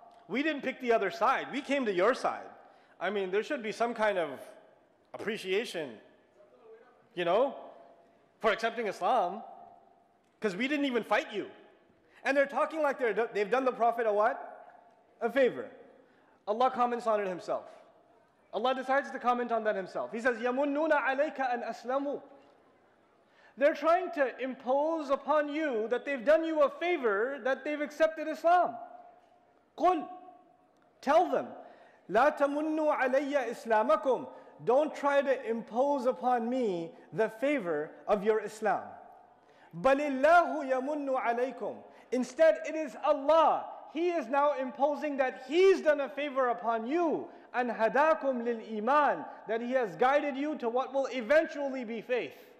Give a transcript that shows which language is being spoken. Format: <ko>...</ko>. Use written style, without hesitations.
<en>We didn't pick the other side. We came to your side. I mean, there should be some kind of appreciation, you know, for accepting Islam. Because we didn't even fight you. And they're talking like they've done the Prophet a what? A favor. Allah comments on it himself. Allah decides to comment on that himself. He says,</en> <ar>يَمُنُّونَ عَلَيْكَ أَنْ أَسْلَمُوا.</ar> <en>They're trying to impose upon you that they've done you a favor, that they've accepted Islam.</en> <ar>قُلْ.</ar> <en>Tell them,</en> <ar>لَا تَمُنُّوا عَلَيَّ إِسْلَامَكُمْ.</ar> <en>Don't try to impose upon me the favor of your Islam.</en> <ar>بَلِ اللَّهُ يَمُنُّ عَلَيْكُمْ.</ar> <en>Instead, it is Allah. He is now imposing that He's done a favor upon you. And</en> <ar>hadakum lil iman,</ar> <en>that He has guided you to what will eventually be faith.</en>